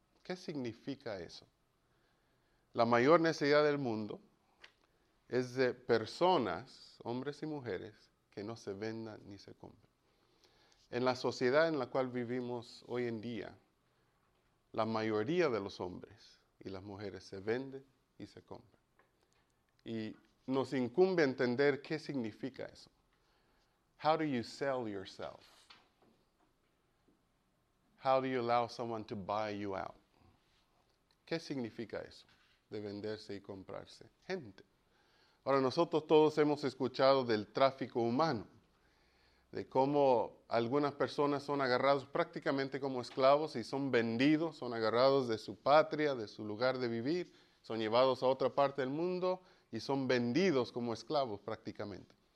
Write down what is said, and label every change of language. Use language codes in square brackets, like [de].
[es] ¿Qué significa eso? La mayor necesidad del mundo es de personas, hombres y mujeres, que no se vendan ni se compren. En la sociedad en la cual vivimos hoy en día, la mayoría de los hombres y las mujeres se venden y se compran. Y nos incumbe entender qué significa eso. [en] How do you sell yourself? How do you allow someone to buy you out? [es] ¿Qué significa eso de venderse y comprarse? Gente. Ahora, nosotros todos hemos escuchado del tráfico humano, de cómo algunas personas son agarrados prácticamente como esclavos y son vendidos, son agarrados de su patria, de su lugar de vivir, son llevados a otra parte del mundo y son vendidos como esclavos prácticamente.